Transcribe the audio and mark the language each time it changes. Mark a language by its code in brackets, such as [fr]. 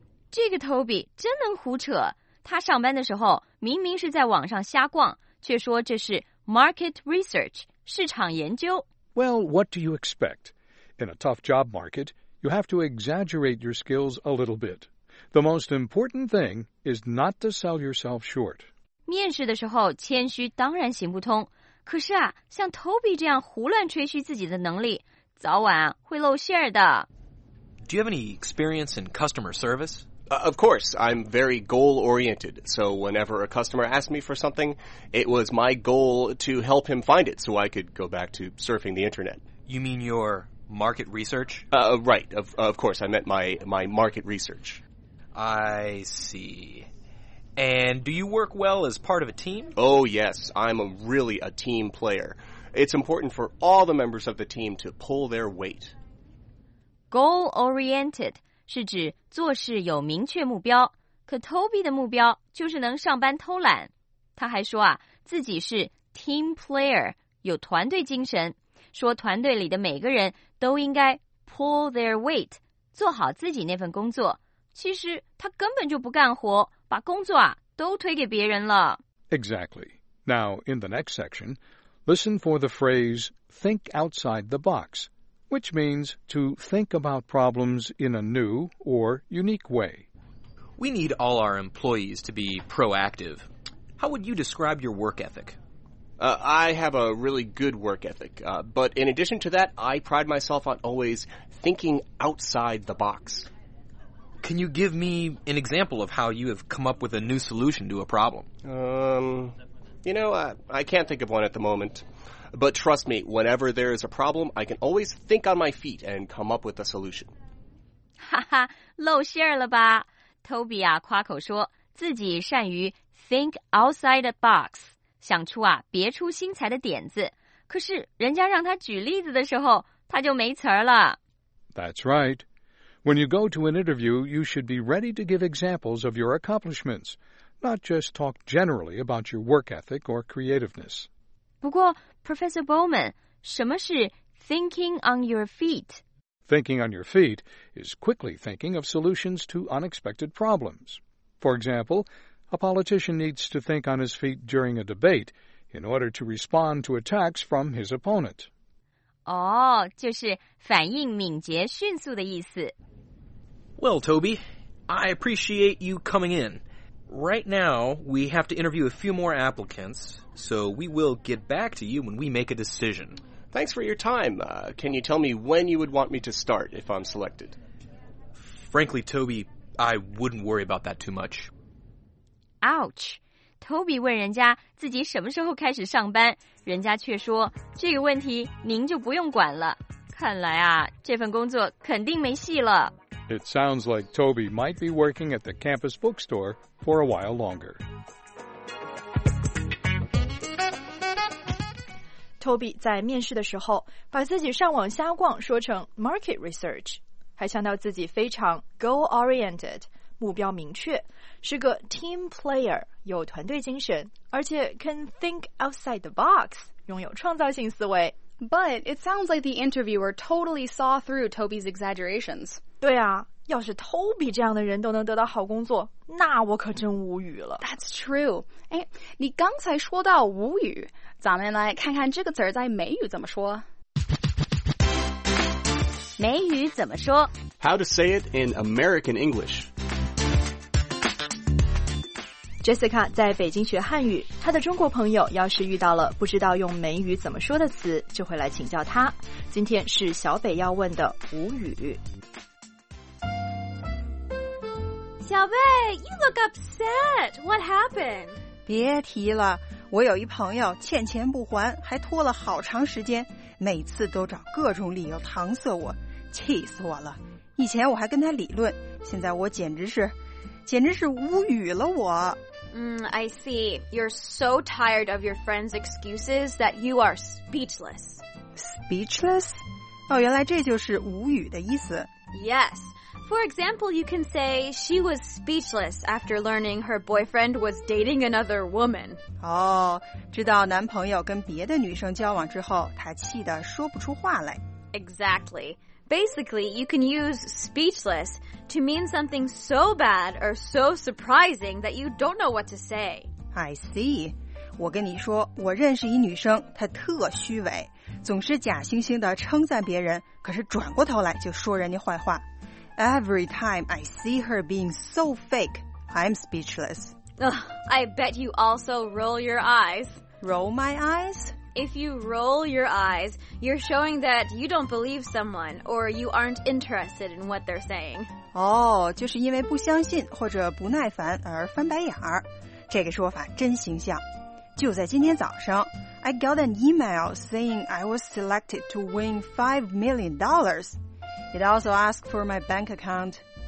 [zh] 这个 Toby 真能胡扯。他上班的时候明明是在网上瞎逛，却说这是 [en] market research, [zh] 市场研究。 [en] Well, what do you expect? In a tough job market... You have to exaggerate your skills a little bit. The most important thing is not to sell yourself short. [zh] 面试的时候谦虚当然行不通，可是啊，像 Toby 这样胡乱吹嘘自己的能力，早晚会露馅儿的。 [en] Do you have any experience in customer service? Of course, I'm very goal-oriented. So whenever a customer asked me for something, it was my goal to help him find it so I could go back to surfing the internet. You mean your... Market research? Right. Of course, I meant my market research. I see. And do you work well as part of a team? Oh, yes. I'm really a team player. It's important for all the members of the team to pull their weight. [zh] Goal-oriented 是指做事有明确目标，可 Toby 的目标就是能上班偷懒。他还说啊，自己是 [en] team player, [zh] 有团队精神。说团队里的每个人都应该 [en] pull their weight, [zh] 做好自己那份工作。其实他根本就不干活，把工作啊都推给别人了。 [en] Exactly. Now, in the next section, listen for the phrase, think outside the box, which means to think about problems in a new or unique way. We need all our employees to be proactive. How would you describe your work ethic? I have a really good work ethic, but in addition to that, I pride myself on always thinking outside the box. Can you give me an example of how you have come up with a new solution to a problem? I can't think of one at the moment. But trust me, whenever there is a problem, I can always think on my feet and come up with a solution. [zh] 哈哈，露馅儿了吧。Toby 啊，夸口说自己善于 [en] think outside the box. [zh] 想出啊别出心裁的点子，可是人家让他举例子的时候他就没词儿了。 [en] That's right. When you go to an interview, you should be ready to give examples of your accomplishments, not just talk generally about your work ethic or creativeness. [zh] 不过 Professor Bowman, 什么是 [en] thinking on your feet? Thinking on your feet is quickly thinking of solutions to unexpected problems. For example, a politician needs to think on his feet during a debate in order to respond to attacks from his opponent. [zh] 哦，就是反应敏捷、迅速的意思。 [en] Well, Toby, I appreciate you coming in. Right now, we have to interview a few more applicants, so we will get back to you when we make a decision. Thanks for your time. Can you tell me when you would want me to start if I'm selected? Frankly, Toby, I wouldn't worry about that too much. Ouch! [zh] Toby 问人家自己什么时候开始上班，人家却说，这个问题您就不用管了。看来啊，这份工作肯定没戏了。 [en] It sounds like Toby might be working at the campus bookstore for a while longer. [zh] Toby 在面试的时候把自己上网瞎逛说成 [en] market research， [zh] 还强调自己非常 goal-oriented， 目标明确，是个 [en] team player， [zh] 有团队精神，而且 [en] can think outside the box， [zh] 拥有创造性思维。 [en] But it sounds like the interviewer totally saw through Toby's exaggerations. [zh] 对啊，要是 Toby 这样的人都能得到好工作，那我可真无语了。 [en] That's true. [zh] 哎，你刚才说到无语，咱们来看看这个词在美语怎么说。美语怎么说？ [en] How to say it in American English. [zh] Jessica 在北京学汉语，她的中国朋友要是遇到了不知道用美语怎么说的词，就会来请教她。今天是小北要问的无语。 [en] 小贝 ，You look upset. What happened? [zh] 别提了，我有一朋友欠钱不还，还拖了好长时间，每次都找各种理由搪塞我，气死我了。以前我还跟他理论，现在我简直是无语了我。 [en] I see. You're so tired of your friend's excuses that you are speechless. Speechless? [zh] 哦，原来这就是无语的意思。 [en] Yes. For example, you can say she was speechless after learning her boyfriend was dating another woman. [zh] 哦，知道男朋友跟别的女生交往之后，她气得说不出话来。 [en] Exactly. Basically, you can use speechless to mean something so bad or so surprising that you don't know what to say. I see. [zh] 我跟你说，我认识一女生，她特虚伪，总是假惺惺地称赞别人，可是转过头来就说人家坏话。 [en] Every time I see her being so fake, I'm speechless. Ugh, I bet you also roll your eyes. Roll my eyes? If you roll your eyes, you're showing that you don't believe someone or you aren't interested in what they're saying. [zh] 哦，就是因为不相信或者不耐烦而翻白眼儿。这个说法真形象。就在今天早上 [en] ,I got an email saying I was selected to win $5 million. It also asked for my bank account.